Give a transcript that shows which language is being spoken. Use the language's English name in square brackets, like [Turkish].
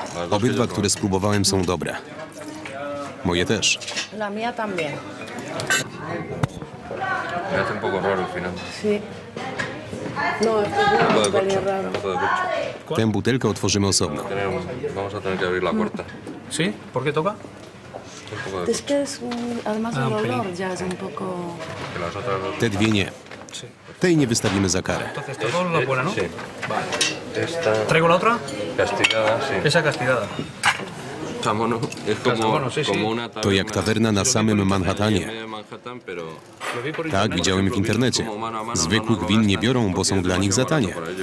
[Polish] Obydwa, które spróbowałem, są dobre. Moje też. [Spanish] La mia también. Ya está un poco raro al final. Sí. No, esto es un poco raro. [Polish] Tę butelkę otworzymy osobno. [Spanish] Vamos a tener que abrir la puerta. ¿Sí? ¿Por qué toca? Es que es un, además un olor ya es un poco... [Polish] Te dwie nie. Tej nie wystawimy za karę. [Spanish] ¿Traigo la otra? Castigada, sí. Esa castigada. [Polish] To jak tawerna na samym Manhattanie. Tak, widziałem w internecie. Zwykłych win nie biorą, bo są dla nich za tanie.